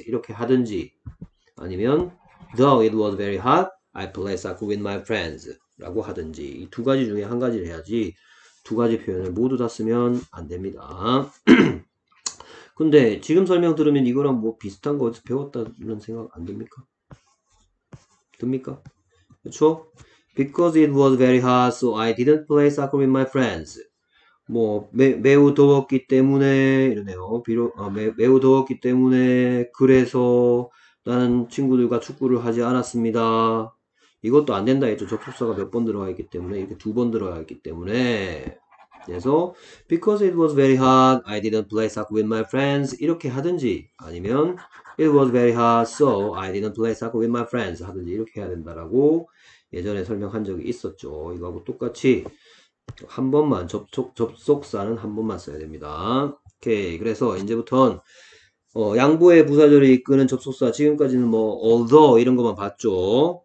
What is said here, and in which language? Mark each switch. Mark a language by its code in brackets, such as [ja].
[ko] 이렇게 하든지 아니면 [en] Though it was very hot, I played soccer with my friends. [ko] 라고 하든지 이두 가지 중에 한 가지를 해야지 두 가지 표현을 모두 다 쓰면 안 됩니다. 근데 지금 설명 들으면 이거랑 뭐 비슷한 거 어디서 배웠다는 생각 안 듭니까? 듭니까? 그쵸? [en] Because it was very hot, so I didn't play soccer with my friends. [ko] 뭐, 매우 더웠기 때문에, 이러네요. 비록, 매우 더웠기 때문에, 그래서 나는 친구들과 축구를 하지 않았습니다. 이것도 안 된다 했죠. 접속사가 몇번 들어가 있기 때문에, 이렇게 두번 들어가 있기 때문에. 그래서, [en] Because it was very hot, I didn't play soccer with my friends. [ko] 이렇게 하든지, 아니면, [en] It was very hot, so I didn't play soccer with my friends. [ko] 하든지, 이렇게 해야 된다라고 예전에 설명한 적이 있었죠. 이거하고 똑같이, 한 번만, 접속사는 한 번만 써야 됩니다. 오케이. 그래서, 이제부턴, 양보의 부사절이 이끄는 접속사, 지금까지는 뭐, although, 이런 것만 봤죠.